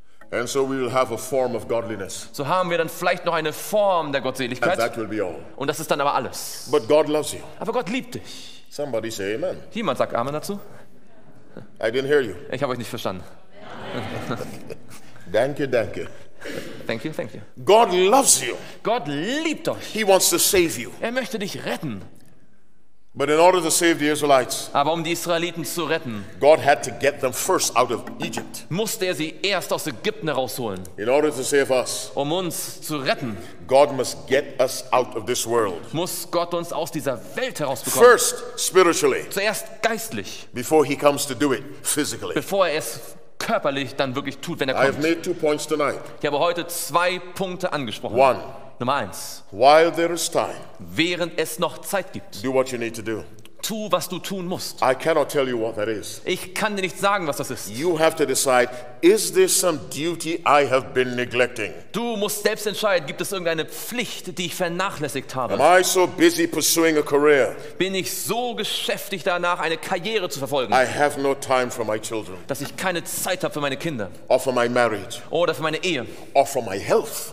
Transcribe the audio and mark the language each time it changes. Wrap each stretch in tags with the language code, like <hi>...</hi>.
<en>And so we will have a form of godliness.</en> <de>So haben wir dann vielleicht noch eine Form der Gottseligkeit.</de> <en>And that will be all.</en> <de>Und das ist dann aber alles.</de> <en>But God loves you.</en> <de>Aber Gott liebt dich.</de> <en>Somebody say amen.</en> <de>Jemand sagt Amen dazu?</de> <en>I didn't hear you.</en> <de>Ich habe euch nicht verstanden. Danke, danke.</de> <en>Thank you, thank you. God loves you.</en> <de>Gott liebt euch.</de> <en>He wants to save you.</en> <de>Er möchte dich retten.</de> <en>But in order to save the Israelites,</en> <de>aber um die Israeliten zu retten,</de> <en>God had to get them first out of Egypt.</en> <de>Musste er sie erst aus Ägypten herausholen.</de> <en>In order to save us,</en> <de>um uns zu retten,</de> <en>God must get us out of this world.</en> <de>Muss Gott uns aus dieser Welt herausbekommen.</de> <en>First, spiritually.</en> <de>Zuerst geistlich.</de> <en>Before he comes to do it physically.</en> <de>Bevor er es körperlich dann wirklich tut, wenn er kommt.</de> <en>I have made 2 points tonight.</en> <de>Ich habe heute 2 Punkte angesprochen.</de> <en>One.</en> <de>Nummer 1.</de> <en>While there is time.</en> <de>Während es noch Zeit gibt.</de> <en>Do what you need to do.</en> <de>Tu, was du tun musst.</de> <en>I cannot tell you what that is.</en> <de>Ich kann dir nicht sagen, was das ist.</de> <en>You have to decide, is there some duty I have been neglecting?</en> <de>Du musst selbst entscheiden, gibt es irgendeine Pflicht, die ich vernachlässigt habe?</de> <en>Am I so busy pursuing a career?</en> <de>Bin ich so geschäftig danach, eine Karriere zu verfolgen?</de> <en>I have no time for my children.</en> <de>Dass ich keine Zeit habe für meine Kinder.</de> <en>Or for my marriage.</en> <de>Oder für meine Ehe.</de> <en>Or for my health.</en>